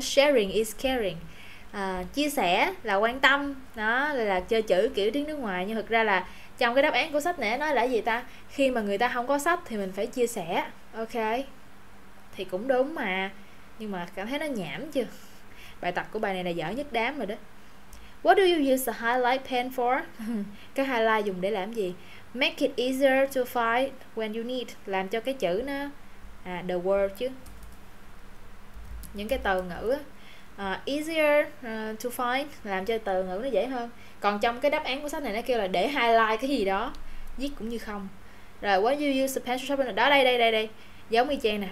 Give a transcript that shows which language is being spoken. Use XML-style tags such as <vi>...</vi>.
<en>Sharing is caring.</en> <vi>Chia sẻ là quan tâm. Đó là chơi chữ kiểu tiếng nước ngoài. Nhưng thực ra là trong cái đáp án của sách này nói là gì ta? Khi mà người ta không có sách thì mình phải chia sẻ. Ok. Thì cũng đúng mà. Nhưng mà cảm thấy nó nhảm chưa? Bài tập của bài này là dở nhất đám rồi đó.</vi> <en>What do you use a highlight pen for?</en> <vi>Cái highlight dùng để làm gì?</vi> <en>Make it easier to find when you need.</en> <vi>Làm cho cái chữ nó the word chứ, những cái từ ngữ</vi> <en>easier to find,</en> <vi>làm cho từ ngữ nó dễ hơn. Còn trong cái đáp án của sách này nó kêu là để highlight cái gì đó, viết cũng như không. Rồi,</vi> <en>what do you use a pencil sharpener?</en> <vi>Đó, đây, giống y chang nè.</vi>